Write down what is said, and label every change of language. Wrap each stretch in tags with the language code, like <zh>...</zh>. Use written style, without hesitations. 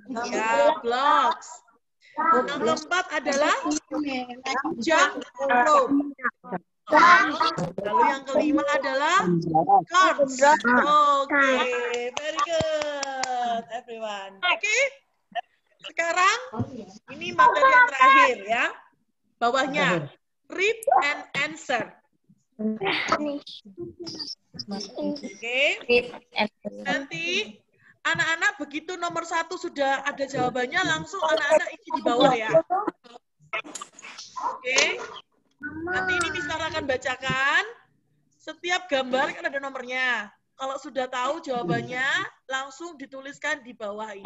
<id>Ya, blocks. Yang keempat adalah jump rope. Lalu yang kelima adalah cards.</id> <en>Oke, okay. Very good, everyone. Oke, okay.</en> <id>Sekarang ini materi yang terakhir ya. Bawahnya,</id> <en>read and answer. Oke, okay.</en> <id>Nanti anak-anak begitu nomor satu sudah ada jawabannya, langsung anak-anak isi di bawah ya. Oke, okay. Nanti ini Miss Sarah akan bacakan. Setiap gambar kan ada nomornya. Kalau sudah tahu jawabannya, langsung dituliskan di bawah ini.</id>